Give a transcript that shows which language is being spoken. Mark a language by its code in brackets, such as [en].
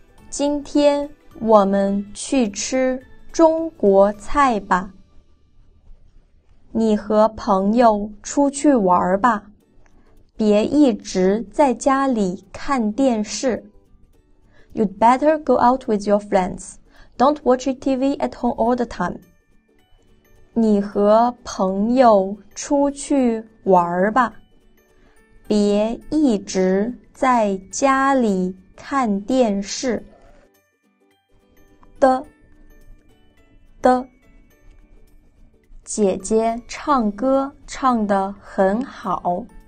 [zh] 今天我们去吃中国菜吧。你和朋友出去玩吧，别一直在家里看电视。 [en] You'd better go out with your friends. Don't watch TV at home all the time. [zh] 你和朋友出去玩吧，别一直在家里看电视。的，的，姐姐唱歌唱得很好。